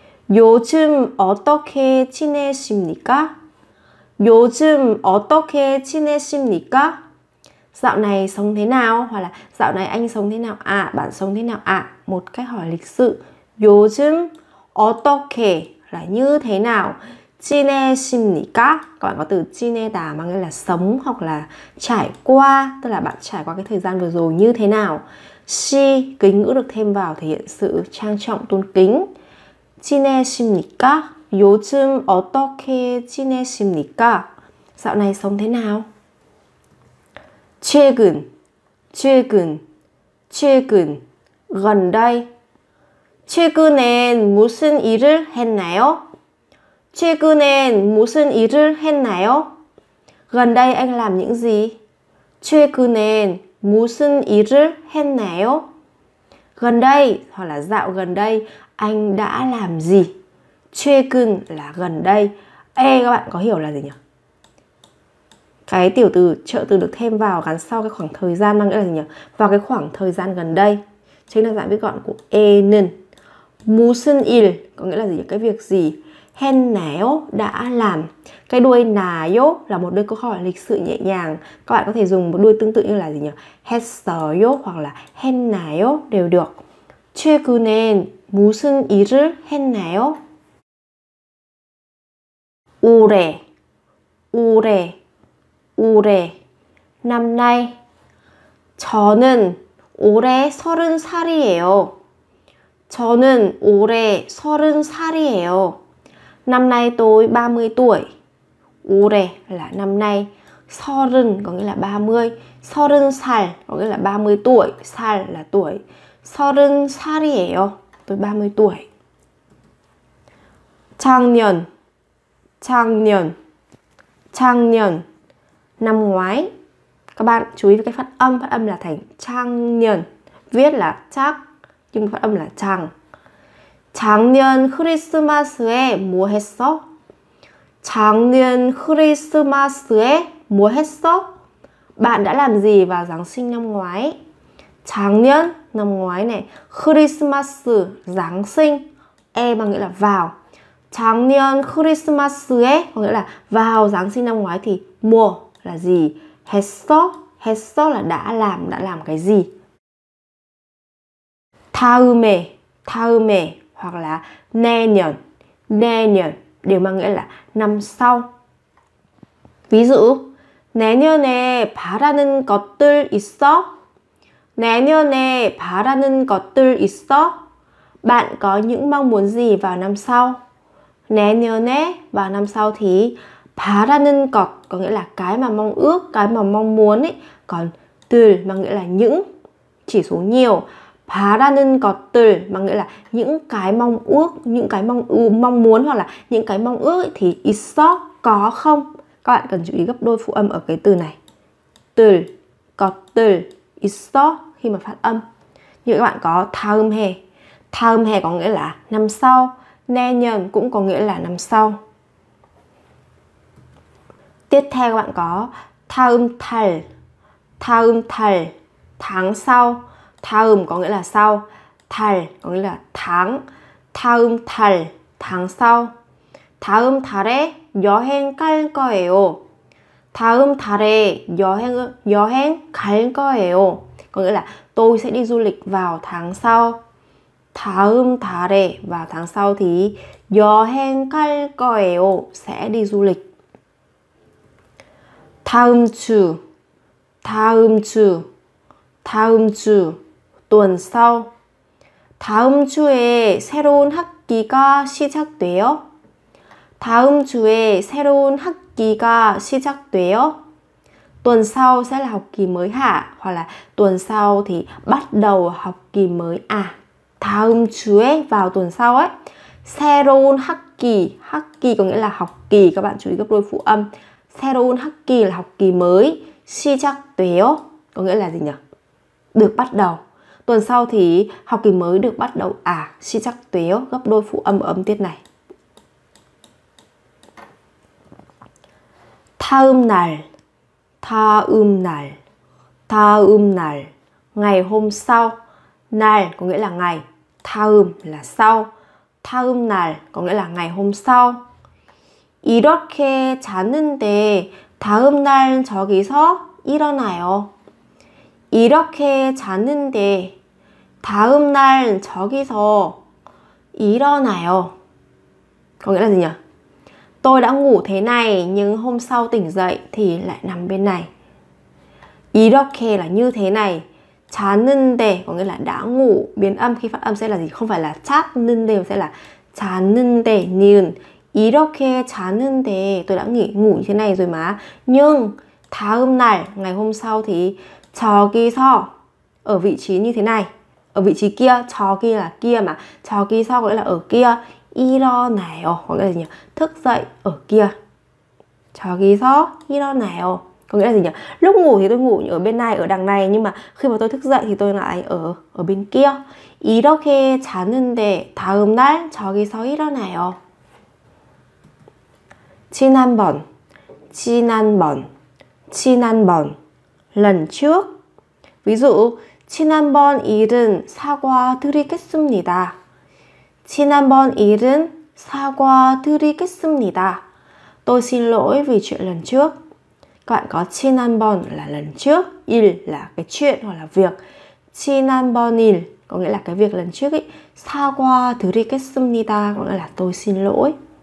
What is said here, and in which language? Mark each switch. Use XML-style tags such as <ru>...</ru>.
<ko>요즘 어떻게 지내십니까? 요즘 어떻게 지내십니까?</ko> <vi>Dạo này sống thế nào? Hoặc là dạo này anh sống thế nào ạ? Bạn sống thế nào ạ? Một cách hỏi lịch sự.</vi> <ko>요즘 어떻게</ko> <vi>là như thế nào?</vi> <ko>지내십니까?</ko> <vi>Các bạn có từ 지내다 mà nghĩa là sống hoặc là trải qua, tức là bạn trải qua cái thời gian vừa rồi như thế nào. 시 kính ngữ được thêm vào thể hiện sự trang trọng tôn kính.</vi> <ko>지내십니까? 요즘 어떻게 지내십니까?</ko> <vi>Dạo này sống thế nào?</vi> <ko>최근</ko> <vi>gần đây.</vi> <ko>최근엔 무슨 일을 했나요? 최근엔 무슨 일을 했나요?</ko> <vi>Gần đây anh làm những gì?</vi> <ko>최근엔 무슨 일을 했나요?</ko> <vi>Gần đây hoặc là dạo gần đây anh đã làm gì? 최근 là gần đây. Ê các bạn có hiểu là gì nhỉ? Cái tiểu từ trợ từ được thêm vào gắn sau cái khoảng thời gian mang nghĩa là gì nhỉ? Vào cái khoảng thời gian gần đây. Chính là dạng viết gọn của 에는.</vi> <ko>무슨 일</ko> <vi>có nghĩa là gì? Cái việc gì? 했나요? Đã làm. Cái đuôi 나요 là một đuôi câu hỏi lịch sự nhẹ nhàng. Các bạn có thể dùng một đuôi tương tự như là gì nhỉ? 했어요 hoặc là 했나요 đều được.</vi> <ko>최근엔 무슨 일을 했나요?</ko> <vi>올해 năm nay.</vi> <ko>저는 올해 서른 살이에요. 저는 올해 서른 살이에요.</ko> <vi>Năm nay tôi 30 tuổi. 올해 là năm nay. 서른 có nghĩa là 30.</vi> <ko>서른 살</ko> <vi>có nghĩa là 30 tuổi. 살 là tuổi.</vi> <ko>서른 살이에요.</ko> <vi>Tôi 30 tuổi.</vi> <ko>작년 작년 작년</ko> <vi>năm ngoái. Các bạn chú ý với cái phát âm là thành 작년. Viết là chắc nhưng phát âm là 장.</vi> <ko>작년 크리스마스에 뭐 했어? 작년 크리스마스에 뭐 했어?</ko> <vi>Bạn đã làm gì vào Giáng sinh năm ngoái? 작년 năm ngoái này, 크리스마스 Giáng sinh, e bằng nghĩa là vào.</vi> <ko>작년 크리스마스에</ko> <vi>có nghĩa là vào Giáng sinh năm ngoái thì mua là gì?</vi> <ko>했어?</ko> <vi>했어 là đã làm cái gì?</vi> <ko>다음에, 다음에</ko> <vi>hoặc là</vi> <ko>내년, 내년</ko> <vi>đều mang nghĩa là năm sau. Ví dụ,</vi> <ko>내년에 바라는 것들 있어? 내년에 바라는 것들 있어?</ko> <vi>Bạn có những mong muốn gì vào năm sau? 내년에 vào năm sau thì</vi> <ko>바라는 것</ko> <vi>có nghĩa là cái mà mong ước, cái mà mong muốn ấy. Còn 들 mang nghĩa là những, chỉ số nhiều.</vi> <ko>바라는 것들</ko> <vi>mang nghĩa là những cái mong ước, những cái mong muốn hoặc là những cái mong ước ấy, thì 있어 có không? Các bạn cần chú ý gấp đôi phụ âm ở cái từ này.</vi> <ko>들 것들 있어</ko> <vi>khi mà phát âm. Như các bạn có 다음해. 다음해 có nghĩa là năm sau. 내년 cũng có nghĩa là năm sau. Tiếp theo các bạn có</vi> <ko>다음 달. 다음 달</ko> <vi>tháng sau. 다음 có nghĩa là sau. 달 có nghĩa là tháng.</vi> <ko>다음 달</ko> <vi>tháng sau.</vi> <ko>다음 달에 여행 갈 거예요. 다음 달에 여행 갈 거예요.</ko> <vi>Có nghĩa là tôi sẽ đi du lịch vào tháng sau.</vi> <ko>다음 달에</ko> <vi>vào tháng sau thì</vi> <ko>여행 갈 거예요.</ko> <vi>Sẽ đi du lịch.</vi> <ko>다음 주 다음 주 다음 주</ko> <vi>tuần sau.</vi> <ko>다음 주에 새로운 학기가 시작돼요. 다음 주에 새로운 학기가 시작돼요.</ko> <vi>Tuần sau sẽ là học kỳ mới hả? Hoặc là tuần sau thì bắt đầu học kỳ mới à?</vi> <ko>다음 주에</ko> <vi>vào tuần sau ấy.</vi> <ko>새로운 학기.</ko> <vi>학기 có nghĩa là học kỳ. Các bạn chú ý gấp đôi phụ âm.</vi> <ko>새로운 학기</ko> <vi>là học kỳ mới. 시작돼요 có nghĩa là gì nhỉ? Được bắt đầu. Tuần sau thì học kỳ mới được bắt đầu à? 시작돼요 gấp đôi phụ âm ở âm tiết này.</vi> <ko>다음 날 다음 날 다음 날</ko> <vi>ngày hôm sau. 날 có nghĩa là ngày, 다음 là sau.</vi> <ko>다음 날</ko> <vi>có nghĩa là ngày hôm sau.</vi> <ko>이렇게 잤는데 다음 날 저기서 일어나요. 이렇게 잤는데 다음 날 저기서 일어나요.</ko> <vi>Có nghĩa là gì nhỉ? Tôi đã ngủ thế này nhưng hôm sau tỉnh dậy thì lại nằm bên này. 이렇게 là như thế này. 자는데 có nghĩa là đã ngủ. Biến âm khi phát âm sẽ là gì? Không phải là 자는데 mà sẽ là</vi> <ko>자는데 는. 이렇게 자는데</ko> <vi>tôi đã ngủ như thế này rồi mà. Nhưng</vi> <ko>다음 날</ko> <vi>ngày hôm sau thì 저기서 ở vị trí như thế này. Ở vị trí kia, 저기 là kia mà. 저기서 có nghĩa là ở kia. 일어나요 có nghĩa là gì nhỉ? Thức dậy ở kia.</vi> <ko>저기서 일어나요</ko> <vi>có nghĩa là gì nhỉ? Lúc ngủ thì tôi ngủ ở bên này, ở đằng này. Nhưng mà khi mà tôi thức dậy thì tôi lại ở bên kia.</vi> <ko>이렇게 자는데 다음 날 저기서 일어나요. 지난번 지난번 지난번</ko> <vi>lần trước. Ví dụ</vi> <ko>지난번 일은 사과드리겠습니다. 지난번 일은 사과드리겠습니다.</ko> <vi>Tôi xin lỗi vì chuyện lần trước. Các bạn có 지난번 là lần trước, 일 là cái chuyện hoặc là việc.</vi> <ko>지난번 일</ko> <vi>có nghĩa là cái việc lần trước ấy. 사과드리겠습니다 có nghĩa là tôi xin lỗi.</vi>